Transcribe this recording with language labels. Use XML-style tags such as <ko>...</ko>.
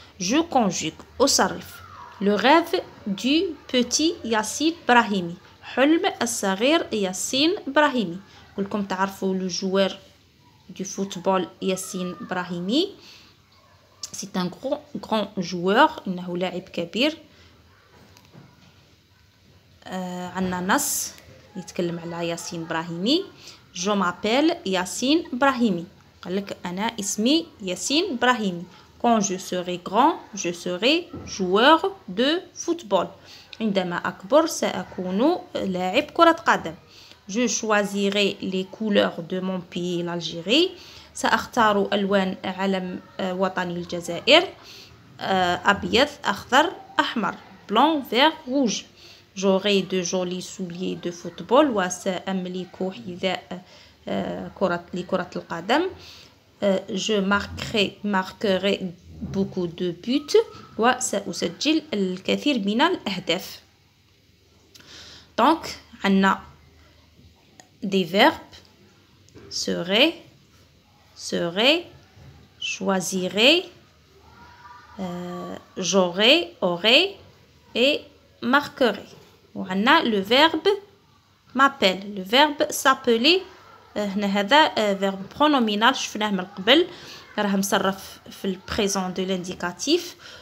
<fr>Je conjugue au sarif le rêve du petit Yassine Brahimi.</fr> <ar>حلم الصغير ياسين إبراهيمي. كلكم تعرفوا</ar> <fr>لو جوار دو فوتبول</fr> <ar>ياسين إبراهيمي.</ar> <fr>سي ان غران جوار،</fr> <ar>انه لاعب كبير. عندنا نص يتكلم على ياسين إبراهيمي.</ar> <fr>جو مابيل</fr> <ar>ياسين إبراهيمي. قال لك انا اسمي ياسين إبراهيمي.</ar> <fr>Quand je serai grand, je serai joueur de football.</fr> <ar>عندما أكبر سأكون لاعب كرة قدم.</ar> <fr>Je choisirai les couleurs de mon pays, l'Algérie.</fr> <ar>سأختار ألوان علم وطني الجزائر. أبيض، أخضر، أحمر.</ar> <fr>Blanc, vert, rouge. J'aurai de jolis souliers de football.</fr> <ar>وسأملك حذاء كرة لكرة القدم.</ar> <fr>Je marquerai beaucoup de buts.</fr> <ar>وسأسجل الكثير من الأهداف.</ar> <fr>Donc, عنا des verbes. Serai, serai, choisirai, j'aurai, aurai et marquerai. وعنا le verbe m'appelle. Le verbe s'appeler.</fr> <ar>هنا هذا فيرب برونومينال شفناه من قبل، راه مصرف في</ar> <fr>البريزون دو لانديكاتيف.</fr>